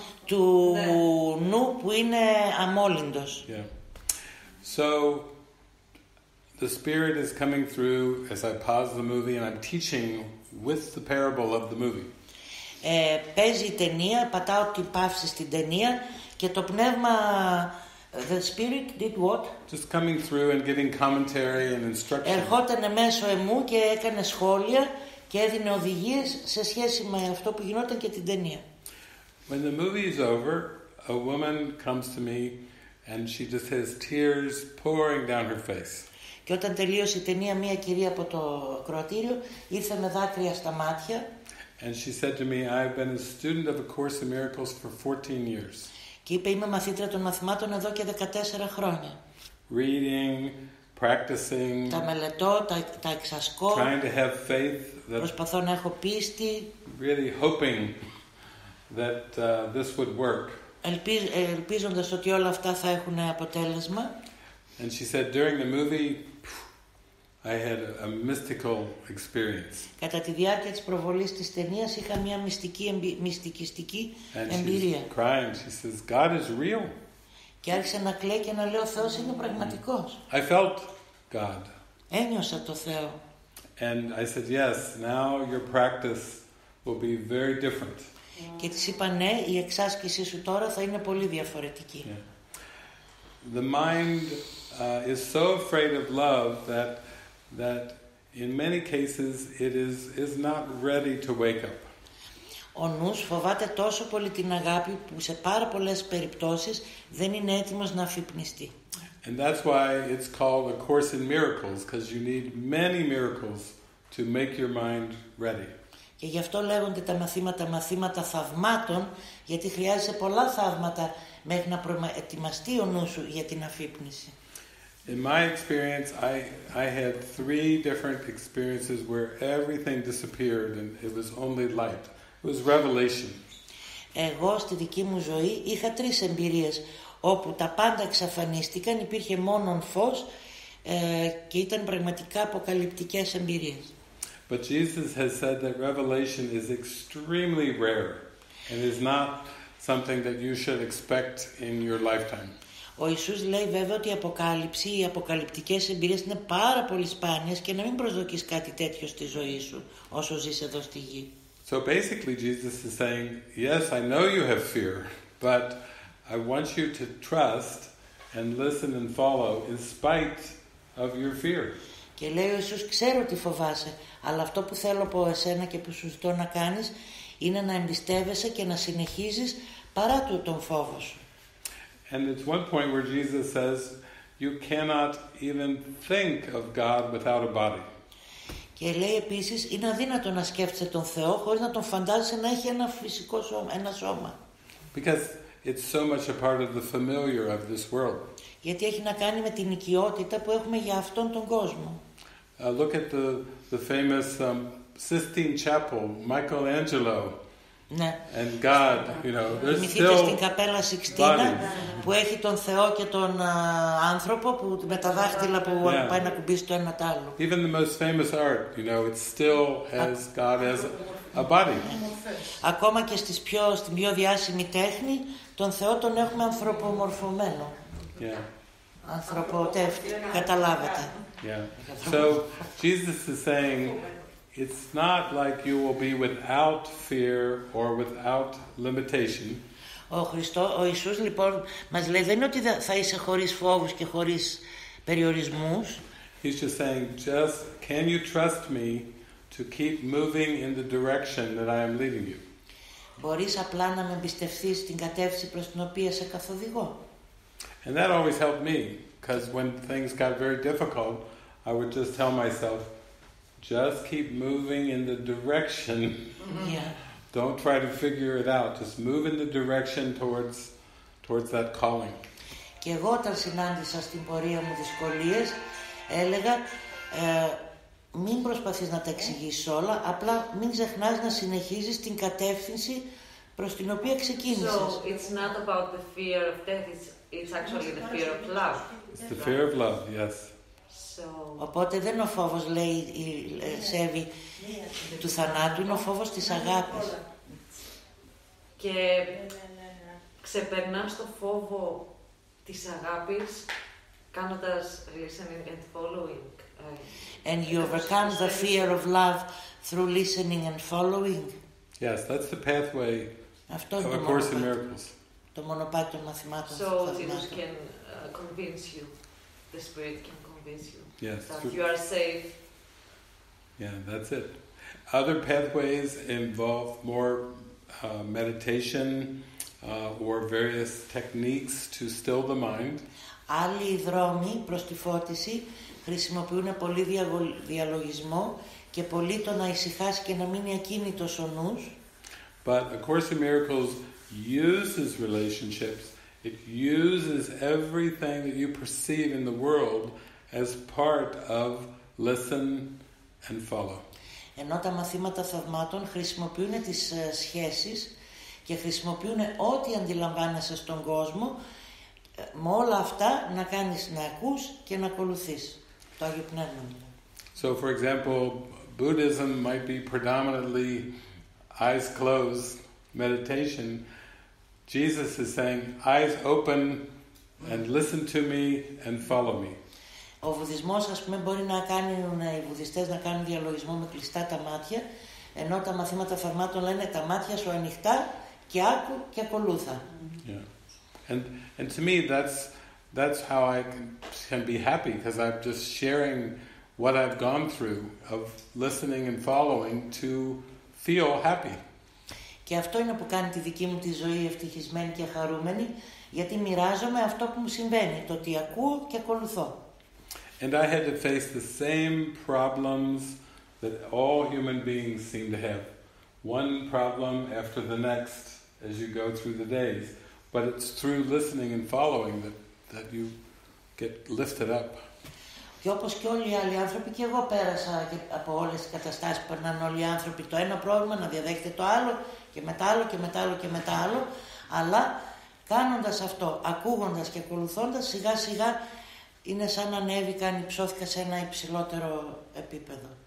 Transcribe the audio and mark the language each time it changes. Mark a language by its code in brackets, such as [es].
[el] Του νου που είναι αμόλυντος. [en] Yeah. So the spirit is coming through as I pause the movie and I'm teaching with the parable of the movie. [el] Παίζει η ταινία, πατάω την παύση στην ταινία και το πνεύμα. [en] The spirit did what? Just coming through and giving commentary and instruction. [el] Ερχόταν μέσω εμού και έκανε σχόλια και έδινε οδηγίες σε σχέση με αυτό που γινόταν και την ταινία. [en] When the movie is over, a woman comes to me and she just has tears pouring down her face. [el] Και όταν τελείωσε η ταινία, μια κυρία από το ακροατήριο ήρθε με δάκρυα στα μάτια. [en] And she said to me, I've been a student of A Course in Miracles for 14 years. [el] Και είπε, είμαι μαθήτρια των μαθημάτων εδώ και 14 χρόνια. [en] Reading, practicing, [el] τα μελετώ, τα εξασκώ. [en] Trying to have faith that, [el] προσπαθώ να έχω πίστη. [en] Really hoping that this would work. [el] Ελπίζοντας ότι όλα αυτά θα έχουν αποτέλεσμα. [en] And she said, during the movie, I had a mystical experience. [el] Κατά τη διάρκεια της προβολής της ταινίας είχα μια μυστικιστική εμπειρία. [en] And she's crying. She says, God is real. [el] Και άρχισε να κλαίει και να λέει, ο Θεός είναι πραγματικός. [en] I felt God. [el] Ένιωσα το Θεό. [en] And I said, yes, now your practice will be very different. [el] Και της είπα, ναι, η εξάσκησή σου τώρα θα είναι πολύ διαφορετική. [en] The mind is so afraid of love that in many cases it is not ready to wake up. [el] Ο νους φοβάται τόσο πολύ την αγάπη που σε πάρα πολλές περιπτώσεις δεν είναι έτοιμος να αφυπνιστεί. [en] And that's why it's called A Course in Miracles, because you need many miracles to make your mind ready. [el] Και γι' αυτό λέγονται τα μαθήματα μαθήματα θαυμάτων, γιατί χρειάζεσαι πολλά θαύματα μέχρι να προετοιμαστεί ο νου σου για την αφύπνιση. [en] In my experience, I had three different experiences where everything disappeared and it was only light. It was revelation. [el] Εγώ στη δική μου ζωή είχα τρεις εμπειρίες όπου τα πάντα εξαφανίστηκαν, υπήρχε μόνο φως και ήταν πραγματικά αποκαλυπτικές εμπειρίες. [en] But Jesus has said that revelation is extremely rare and is not something that you should expect in your lifetime. [el] Ο Ιησούς λέει βέβαια ότι η αποκάλυψη, οι αποκαλυπτικές εμπειρίες είναι πάρα πολύ σπάνιες και να μην προσδοκείς κάτι τέτοιο στη ζωή σου όσο ζεις εδώ στη γη. [en] So basically Jesus is saying, yes, I know you have fear, but I want you to trust and listen and follow in spite of your fear. [el] Και λέει ο Ιησούς, ξέρω ότι φοβάσαι, αλλά αυτό που θέλω από εσένα και που σου ζητώ να κάνεις είναι να εμπιστεύεσαι και να συνεχίζεις παρά του τον φόβο σου. [en] And it's one point where Jesus says, you cannot even think of God without a body. [el] Και λέει επίσης, είναι αδύνατο να σκέφτεσαι τον Θεό χωρίς να τον φαντάζεσαι να έχει ένα φυσικό σώμα, ένα σώμα. [en] Because it's so much a part of the familiar of this world. [el] Γιατί έχει να κάνει με την οικειότητα που έχουμε για αυτόν τον κόσμο. [en] Look at the famous Sistine Chapel, Michelangelo. And God, you know, there's still [el] στην καπέλα Σιξτίνα που έχει τον Θεό και τον άνθρωπο που με τα δάχτυλα που πάει να κουμπίσει το ένα το άλλο. [en] Even the most famous art, you know, it still has God as a body. [el] Ακόμα και στην πιο διάσημη τέχνη, τον Θεό τον έχουμε ανθρωπομορφωμένο. Ανθρωποτεύτη, καταλάβατε. [en] So Jesus is saying, it's not like you will be without fear or without limitation. [el] Ο Χριστός, ο Ιησούς λοιπόν μας λέει δεν είναι ότι θα είσαι χωρίς φόβους και χωρίς περιορισμούς. [en] He's just saying, just can you trust me to keep moving in the direction that I am leading you? [el] Μπορείς απλά να με εμπιστευθείς στην κατεύθυνση προς την οποία σε καθοδηγώ. [en] And that always helped me, because when things got very difficult, I would just tell myself, just keep moving in the direction. Don't try to figure it out. Just move in the direction towards that calling. [el] Και εγώ όταν συνάντησα στην πορεία μου δυσκολίες, έλεγα μην προσπαθείς να τα εξηγήσεις όλα, απλά μην ξεχνάς να συνεχίζεις την κατεύθυνση προς την οποία ξεκίνησες. [en] So it's not about the fear of death. It's actually the fear of love. It's the fear of love. Yes. [el] Οπότε δεν είναι ο φόβος, λέει η Σέβη, του θανάτου, είναι ο φόβος της αγάπης. Και ξεπερνάς το φόβο της αγάπης κάνοντας [en] listening and following. And you overcome the fear of love through listening and following. Yes, that's the pathway of A Course in Miracles. [el] Το μονοπάτι των μαθημάτων. [en] So Jesus can convince you, the Spirit can convince you. Yes, that you are safe. Yeah, that's it. Other pathways involve more meditation or various techniques to still the mind. [el] Άλλοι δρόμοι προς τη φώτιση χρησιμοποιούν πολύ διαλογισμό και πολύ το να ησυχάσει και να μείνει ακίνητος ο νους. [en] But A Course in Miracles uses relationships. It uses everything that you perceive in the world as part of listen and follow. [el] Ενώ τα μαθήματα θαυμάτων χρησιμοποιούν τις σχέσεις και χρησιμοποιούν ό,τι αντιλαμβάνεσαι στον κόσμο με όλα αυτά να κάνεις να ακούς και να ακολουθείς το Άγιο Πνεύμα. [en] So for example, Buddhism might be predominantly eyes closed meditation. Jesus is saying, eyes open and listen to me and follow me. [el] Ο βουδισμός, ας πούμε, μπορεί να κάνει οι βουδιστές να κάνουν διαλογισμό με κλειστά τα μάτια, ενώ τα μαθήματα θαυμάτων λένε τα μάτια σου ανοιχτά και άκου και ακολούθα. [en] Yeah. And to me that's how I can be happy, because I'm just sharing what I've gone through of listening and following to feel happy. [el] Και αυτό είναι που κάνει τη δική μου τη ζωή ευτυχισμένη και χαρούμενη, γιατί μοιράζομαι αυτό που μου συμβαίνει, το ότι ακούω και ακολουθώ. [en] And I had to face the same problems that all human beings seem to have. one problem after the next as you go through the days. But it's through listening and following that you get lifted up. [el] Και όπως και όλοι οι άλλοι άνθρωποι, και εγώ πέρασα και από όλες τις καταστάσεις που περνάνε όλοι οι άνθρωποι, το ένα πρόβλημα να διαδέχετε το άλλο και μετά άλλο και μετά άλλο και μετά άλλο, αλλά κάνοντας αυτό, ακούγοντας και ακολουθώντας, σιγά σιγά είναι σαν να ανέβηκα, ανυψώθηκα σε ένα υψηλότερο επίπεδο.